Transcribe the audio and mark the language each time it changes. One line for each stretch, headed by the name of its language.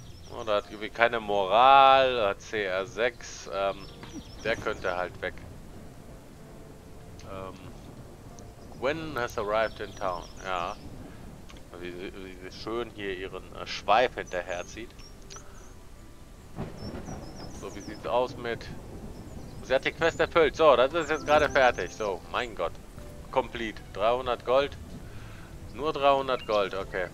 German: Oh, da hat irgendwie keine Moral, hat CR6, der könnte halt weg.
English: Gwen has arrived in town, ja.
German: Wie schön hier ihren Schweif hinterher zieht. So, wie sieht's aus mit... Sie hat die Quest erfüllt, so, das ist jetzt gerade fertig, so, mein Gott.
English: Complete,
German: 300 Gold. Nur 300 Gold, okay.